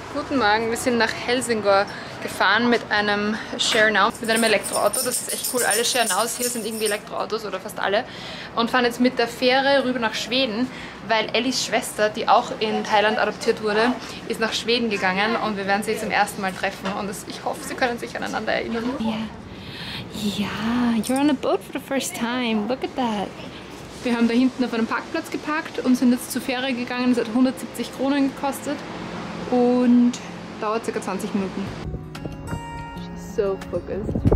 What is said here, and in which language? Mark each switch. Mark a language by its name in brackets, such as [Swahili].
[German] Wir sind nach Helsingør gefahren mit einem Share Now, mit einem Elektroauto. Das ist echt cool. Alle Share Nows hier sind irgendwie Elektroautos oder fast alle. Und fahren jetzt mit der Fähre rüber nach Schweden, weil Ellies Schwester, die auch in Thailand adoptiert wurde, ist nach Schweden gegangen und wir werden sie zum ersten Mal treffen. Und ich hoffe, sie können sich aneinander erinnern. [English] Ja, you're on a boat for the first time. Look at that. [German] Wir haben da hinten auf einem Parkplatz geparkt und sind jetzt zur Fähre gegangen. Es hat 170 Kronen gekostet. Und dauert ca. 20 Minuten. [English] She's so focused.